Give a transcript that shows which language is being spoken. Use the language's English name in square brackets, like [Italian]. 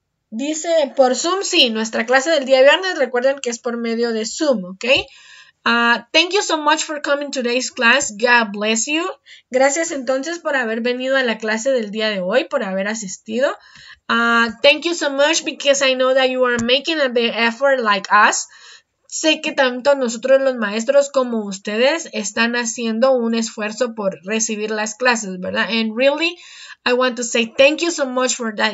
[Spanish] Dice, por Zoom, sí, nuestra clase del día viernes, recuerden que es por medio de Zoom, ¿ok? [English] Thank you so much for coming today's class, God bless you. [Spanish] Gracias entonces por haber venido a la clase del día de hoy, por haber asistido. [English] Thank you so much because I know that you are making a big effort like us. [Spanish] Sé que tanto nosotros los maestros como ustedes están haciendo un esfuerzo por recibir las clases, ¿verdad? [English] And really... I want to say thank you so much for that.